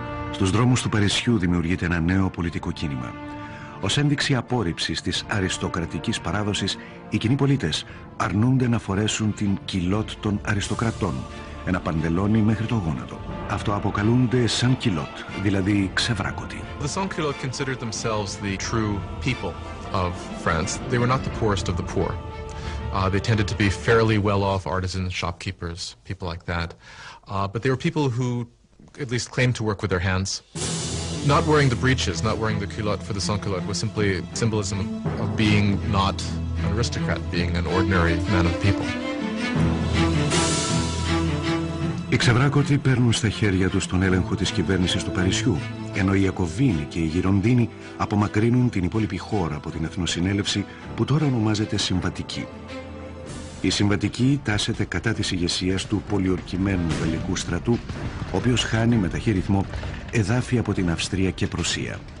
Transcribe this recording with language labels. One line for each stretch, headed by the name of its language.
Greek: Στους δρόμους του Παρισιού δημιουργείται ένα νέο πολιτικό κίνημα. Ως ένδειξη απόρριψης της αριστοκρατικής παράδοσης, οι κοινοί πολίτες αρνούνται να φορέσουν την κιλότ των αριστοκρατών, ένα παντελόνι μέχρι το γόνατο. Αυτοαποκαλούνται σαν κιλότ, δηλαδή ξεβράκωτοι.
English: The sans culottes considered themselves the true people of France. They were not the poorest of the poor. They tended to be fairly well-off artisans, shopkeepers, people like that. But they were people who at least claimed to work with their hands. Not wearing the breeches, not wearing the culotte for the sans culottes was simply symbolism of being not an aristocrat, being an ordinary man of the people.
Greek: Οι ξεβράκωτοι παίρνουν στα χέρια τους τον έλεγχο της κυβέρνησης του Παρισιού, ενώ οι Ιακωβίνοι και οι Γυροντίνοι απομακρύνουν την υπόλοιπη χώρα από την Εθνοσυνέλευση που τώρα ονομάζεται Συμβατική. Η Συμβατική τάσεται κατά της ηγεσίας του πολιορκημένου γαλλικού στρατού, ο οποίος χάνει με ταχύρυθμο εδάφη από την Αυστρία και Προσία.